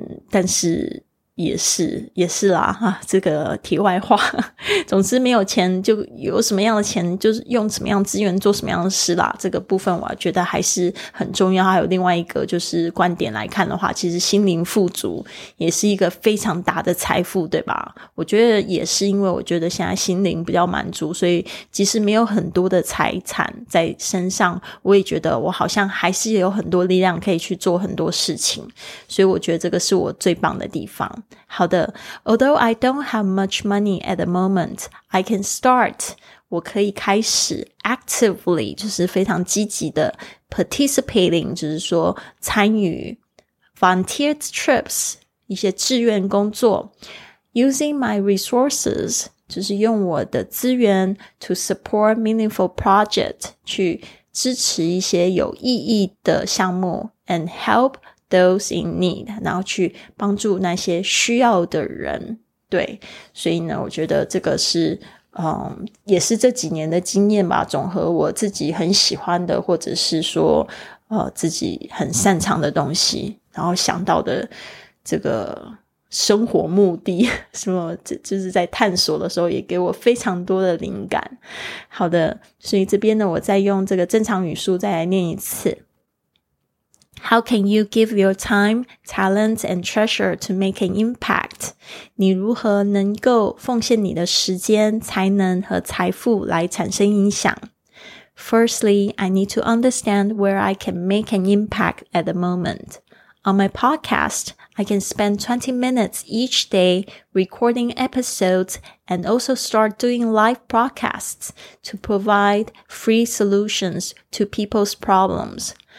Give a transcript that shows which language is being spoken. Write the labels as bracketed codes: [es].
[zh] 但是也是啦啊，这个题外话，总之没有钱就有什么样的钱就是用什么样资源做什么样的事啦，这个部分我觉得还是很重要。还有另外一个就是观点来看的话，其实心灵富足也是一个非常大的财富，对吧？我觉得也是，因为我觉得现在心灵比较满足，所以即使没有很多的财产在身上，我也觉得我好像还是有很多力量可以去做很多事情，所以我觉得这个是我最棒的地方。好的， [en] although I don't have much money at the moment, I can start, [zh] 我可以开始 [en] actively, [zh] 就是非常积极的 [en] participating, [zh] 就是说参与 [en] volunteer trips, [zh] 一些志愿工作 [en] using my resources, [zh] 就是用我的资源 [en] to support meaningful project, [zh] 去支持一些有意义的项目 [en] and help those in need, [zh] 然后去帮助那些需要的人。对，所以呢我觉得这个是也是这几年的经验吧，总和我自己很喜欢的或者是说自己很擅长的东西，然后想到的这个生活目的什么，就是在探索的时候也给我非常多的灵感。好的，所以这边呢我再用这个正常语速再来念一次。 [en] How can you give your time, talent, and treasure to make an impact? [zh] 你如何能够奉献你的时间、才能和财富来产生影响？ [en] Firstly, I need to understand where I can make an impact at the moment. On my podcast, I can spend 20 minutes each day recording episodes and also start doing live broadcasts to provide free solutions to people's problems.